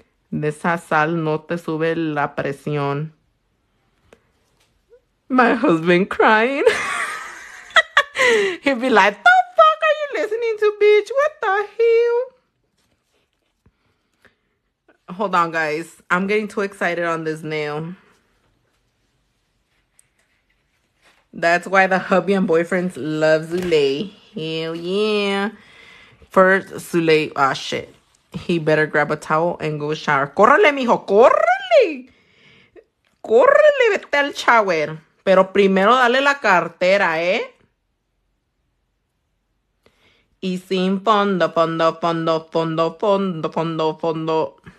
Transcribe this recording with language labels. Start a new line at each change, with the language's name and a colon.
Spanish: De esa sal no te sube la presión.
English: My husband crying. He'd be like, the fuck are you listening to, bitch? What the hell? Hold on, guys. I'm getting too excited on this nail. That's why the hubby and boyfriends love Zuley. Hell yeah. First, Zuley. Ah, shit. He better grab a towel and go shower.
Spanish: ¡Córrele, mijo! ¡Córrele! ¡Córrele! ¡Vete al shower! Pero primero dale la cartera, ¿eh? Y sin fondo.